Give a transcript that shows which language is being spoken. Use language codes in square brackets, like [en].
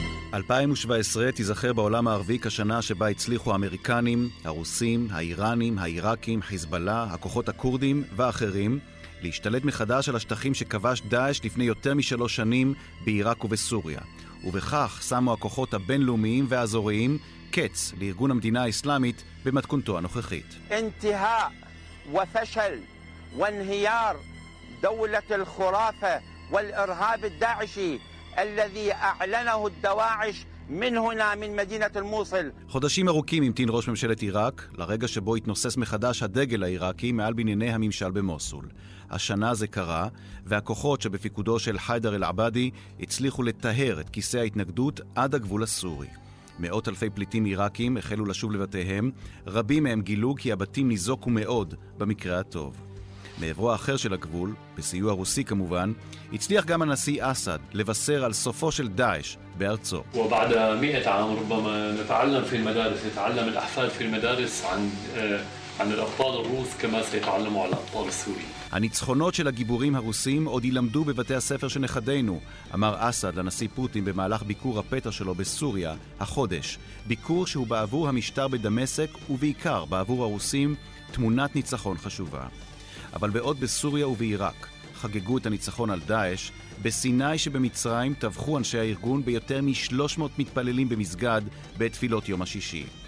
[he] ב-2017 תיזכר בעולם הערבי כשנה שבה הצליחו האמריקנים, הרוסים, האיראנים, העיראקים, חיזבאללה, הכוחות הקורדים ואחרים להשתלט מחדש על השטחים שכבש דאש לפני יותר משלוש שנים בעיראק ובסוריה. ובכך שמו הכוחות הבינלאומיים והאזוריים קץ לארגון המדינה האסלאמית במתכונתו הנוכחית. [ar] انتهاء وفشل وانهيار دولة الخرافة والإرهاب الداعشي الذي اعلنه الدواعش من هنا من مدينه الموصل. [he] חודשים ארוכים המתין ראש ממשלת עיראק לרגע שבו התנוסס מחדש הדגל העיראקי מעל בנייני הממשל במוסול. השנה זה קרה, והכוחות שבפיקודו של חיידר אל-עבאדי הצליחו לטהר את כיסא ההתנגדות עד הגבול הסורי. מאות אלפי פליטים עיראקים החלו לשוב לבתיהם, רבים מהם גילו כי הבתים ניזוקו מאוד במקרה הטוב. מעברו האחר של הגבול, בסיוע רוסי כמובן, הצליח גם הנשיא אסד לבשר על סופו של דאש בארצו. [ar] وبعد 100 عام ربما نتعلم في المدارس يتعلم الاحفاد في المدارس عن الابطال الروس كما سيتعلموا على الابطال السوريين. [he] הניצחונות של הגיבורים הרוסים עוד ילמדו בבתי הספר שנכדינו, אמר אסד לנשיא פוטין במהלך ביקור הפתע שלו בסוריה החודש. ביקור שהוא בעבור המשטר בדמשק ובעיקר בעבור הרוסים תמונת ניצחון חשובה. אבל בעוד בסוריה ובעיראק חגגו את הניצחון על דאש, בסיני שבמצרים טבחו אנשי הארגון ביותר מ-300 מתפללים במסגד בתפילות יום השישי.